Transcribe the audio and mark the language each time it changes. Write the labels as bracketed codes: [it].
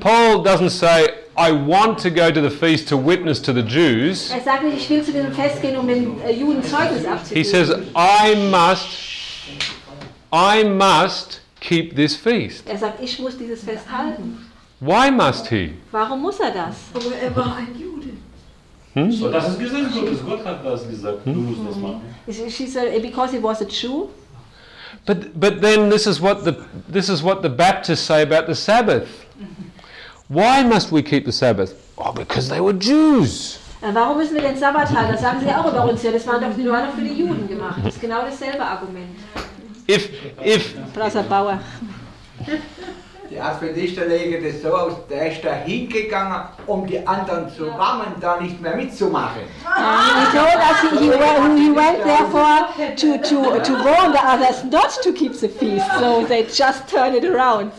[en] Paul doesn't say, I want to go to the feast to witness to the Jews. [de] Er sagt nicht, ich will zu diesem Fest gehen, um den Juden Zeugnis abzugeben. [en] He says, I must keep this feast. [de] Er sagt, ich muss dieses Fest halten. [en] Why must he? [de] Warum muss er das? Er war ein Jude. Das ist gesagt, Gott hat das gesagt, du musst das machen. [en] She said, because he was a Jew. But then this is what the Baptists say about the Sabbath. Why must we keep the Sabbath? Oh, because they were Jews. [de] Warum müssen wir den Sabbat halten? Das sagen sie auch über uns hier. Das waren doch nur noch für die Juden gemacht. Das ist genau dasselbe Argument. [en] If Prasser Bauer. [de] Die Adventisten legen das so aus, der ist da hingegangen, um die anderen zu warnen, da nicht mehr mitzumachen. [en] He told us he went therefore to warn the others not to keep the feast, so they just turn it around.